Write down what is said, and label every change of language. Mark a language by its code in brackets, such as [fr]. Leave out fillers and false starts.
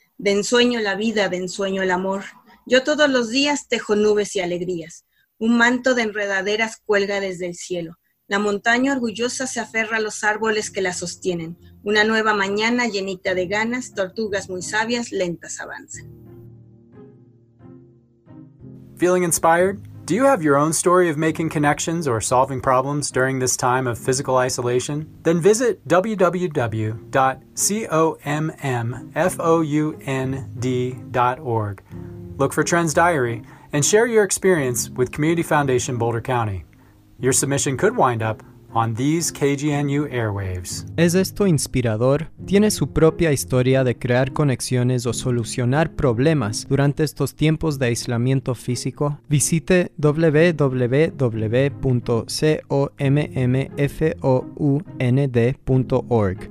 [es] De ensueño la vida, de ensueño el amor. Yo todos los días tejo nubes y alegrías. Un manto de enredaderas cuelga desde el cielo. La montaña orgullosa se aferra a los árboles que la sostienen. Una nueva mañana llenita de ganas, tortugas muy sabias, lentas avanzan. [en] Feeling inspired? Do you have your own story of making connections or solving problems during this time of physical isolation? Then visit www.commfound.org. Look for Trends Diary and share your experience with Community Foundation Boulder County. Your submission could wind up on these KGNU airwaves. [es] ¿Es esto inspirador? ¿Tiene su propia historia de crear conexiones o solucionar problemas durante estos tiempos de aislamiento físico? Visite www.commfound.org.